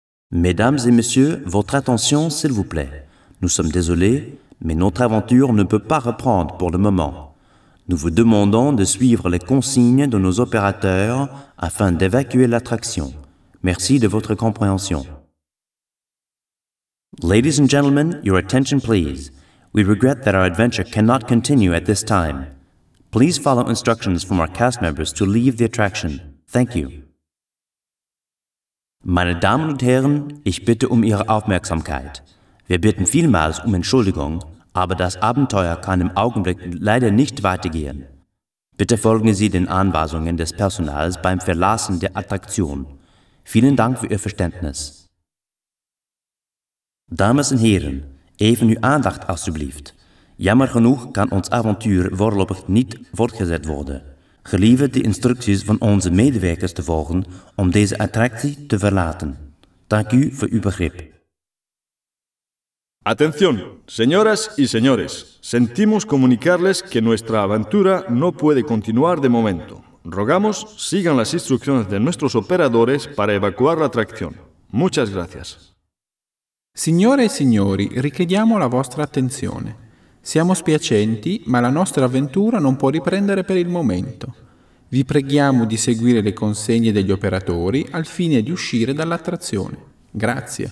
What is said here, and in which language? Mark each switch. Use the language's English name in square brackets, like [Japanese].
[French] Mesdames et messieurs, votre attention s'il vous plaît. Nous sommes désolés, mais notre aventure ne peut pas reprendre pour le moment. Nous vous demandons de suivre les consignes de nos opérateurs afin d'évacuer l'attraction. Merci de votre compréhension. [English] Ladies and gentlemen, your attention please. We regret that our adventure cannot continue at this time. Please follow instructions from our cast members to leave the attraction. Thank you. [German] Meine Damen und Herren, ich bitte um Ihre Aufmerksamkeit. Wir bitten vielmals um Entschuldigung, aber das Abenteuer kann im Augenblick leider nicht weitergehen. Bitte folgen Sie den Anweisungen des Personals beim Verlassen der Attraktion. Vielen Dank für Ihr Verständnis. [Dutch] Damen und Herren, even uw aandacht alsjeblieft. Jammer genoeg kann ons avontuur voorlopig niet voortgezet worden. Gelieve die instructies van onze medewerkers te volgen om deze attractie te verlaten. Dank u voor uw begrip. [Spanish] Atención, señoras y señores. Sentimos comunicarles que nuestra aventura no puede continuar de momento. Rogamos sigan las instrucciones de nuestros operadores para evacuar la atracción. Muchas gracias. [Italian] Signore e signori, richiediamo la vostra attenzione. Siamo spiacenti, ma la nostra avventura non può riprendere per il momento. Vi preghiamo di seguire le consegne degli operatori al fine di uscire dall'attrazione. Grazie.